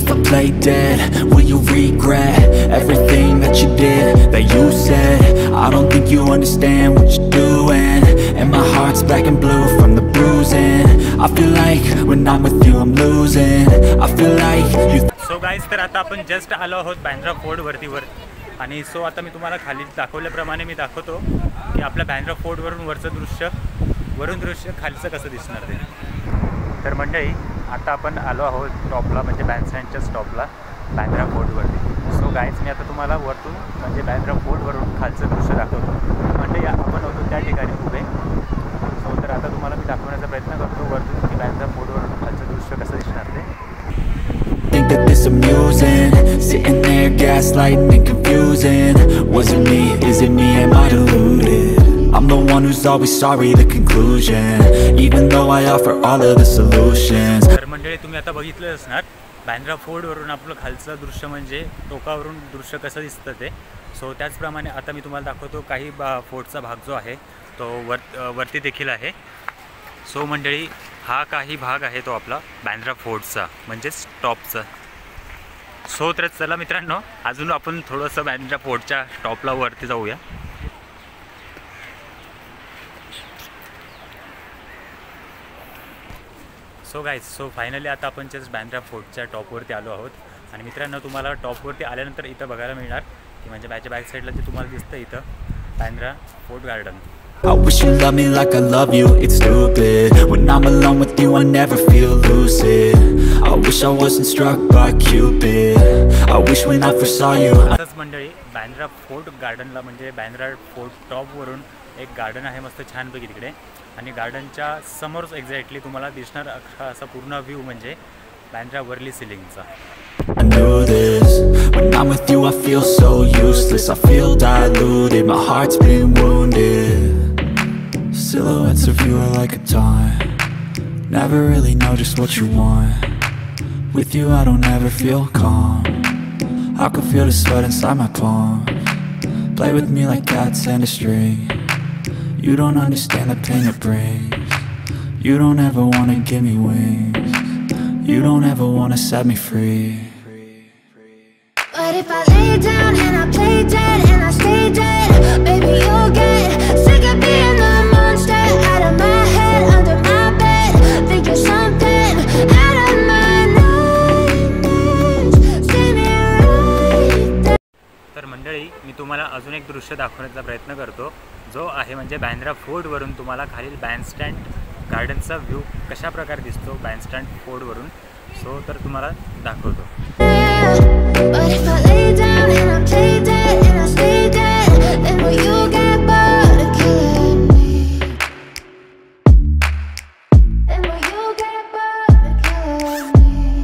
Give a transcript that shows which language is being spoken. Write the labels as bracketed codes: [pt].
[en] Play dead, will you regret everything that you did, that you said? I don't think you understand what you're doing. And my heart's black and blue from the bruising. I feel like when I'm with you I'm losing. I feel like you [mr] So guys, तर आता आपण just आलो आहोत Bandra fort वरतीवर आणि so आता मी तुम्हाला खाली दाखवल्याप्रमाणे मी दाखवतो की आपल्या बँड्रा फोर्टवरून वरचं दृश्य वरून दृश्य खालीचं कसं दिसणार ते. तर मंडळी आता आपण आलो आहोत टॉपला म्हणजे बँडस्टँडच्या स्टॉपला बँड्रा फोर्टवरती. सो गाईज मी आता तुम्हाला वरतून म्हणजे बँड्रा फोर्टवरून खालचं दृश्य दाखवतो. मंडळी आपण होतो त्या ठिकाणी उभे. सो तर आता तुम्हाला मी दाखवण्याचा प्रयत्न करतो वरतून की बँड्रा फोर्टवरून खालचं दृश्य कसं दिसणार ते. [en] That this amusing, sitting there gaslighting and confusing. Was it me? Is it me? Am I deluded? I'm the one who's always sorry, the conclusion. Even though I offer all of the solutions. [mr] तर मंडळे तुम्ही आता बघितलं असणार Bandra fort वरून आपलं खालचं दृश्य म्हणजे टोकावरून दृश्य कसं दिसतं ते. सो त्याचप्रमाणे आता मी तुम्हाला दाखवतो काही फोर्टचा भाग जो आहे तो वरती देखील आहे. सो मंडळी हा काही भाग आहे तो आपला बँड्रा फोर्टचा म्हणजेच टॉपचा. सो तर चला मित्रांनो अजून आपण थोडंसं बँड्रा फोर्टच्या टॉपला वरती जाऊया. सो गाईज सो फायनली आता आपण जस्ट बँड्रा फोर्टच्या टॉपवरती आलो आहोत आणि मित्रांनो तुम्हाला टॉपवरती आल्यानंतर इथं बघायला मिळणार की म्हणजे माझ्या बॅक साईडला जे तुम्हाला दिसतं इथं Bandra fort garden. [en] I wish you loved me like I love you, it's stupid. When I'm alone with you, I never feel lucid. I wish I wasn't struck by Cupid. I wish when I first saw you. [mr] तस मंडळी Bandra fort गार्डनला म्हणजे Bandra fort टॉपवरून एक garden आहे मस्त छानपैकी तिकडे आणि गार्डनच्या समोरच एक्झॅक्टली तुम्हाला दिसणार असा पूर्ण व्ह्यू म्हणजे Bandra Worli सिलिंगचा. [en] I know this, when I'm with you I feel so useless. I feel diluted, my heart's been wounded. Silhouettes of you are like a taunt. Never really know just what you want. With you I don't ever feel calm. I can feel the sweat inside my palms. Play with me like cats and a string. You don't understand the pain it brings. You don't ever wanna give me wings. You don't ever wanna set me free. But if I lay down and I play dead and I stay dead, baby you'll get sick of being the monster. Out of my head, under my bed, think you're something out of my nightmares. See me right there. [mr] तर मंडळी मी तुम्हाला अजून एक दृश्य दाखवण्याचा प्रयत्न करतो जो आहे म्हणजे बँड्रा फोर्ट वरून तुम्हाला खालील बँडस्टँड गार्डनचा व्ह्यू कशा प्रकारे दिसतो बँडस्टँड फोर्ट वरून. सो तर तुम्हाला दाखवतो. [en] But if I lay down and I play dead and I stay dead, then will you get bored of killing me? Then will you get bored of killing me?